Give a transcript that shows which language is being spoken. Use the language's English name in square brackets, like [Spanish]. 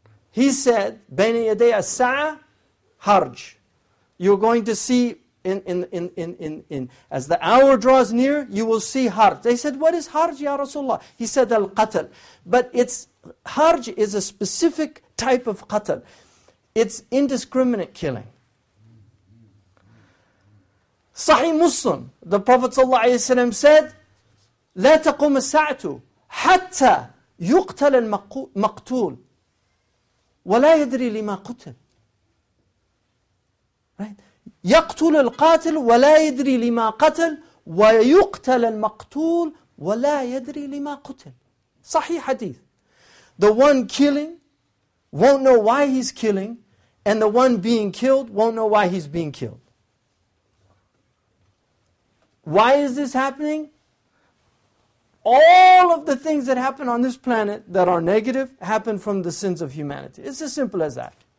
[English] He said, [Arabic] بَيْنَ يَدَيَ السَّعَ harj. [English] You're going to see in as the hour draws near, you will see harj. They said, what is harj, Ya Rasulullah? He said, al-qatl. But it's harj is a specific type of qatl. It's indiscriminate killing. [Arabic] Sahih Muslim, [English] the Prophet ﷺ said, [Arabic] لا تقوم الساعة حتى يقتل المقتول ولا يدري لما قتل. [English] Right? [Arabic] يقتل القاتل ولا يدري لما قتل ويقتل المقتول ولا يدري لما قتل. صحيح حديث. [English] The one killing won't know why he's killing, and the one being killed won't know why he's being killed. Why is this happening? All of the things that happen on this planet that are negative happen from the sins of humanity. It's as simple as that.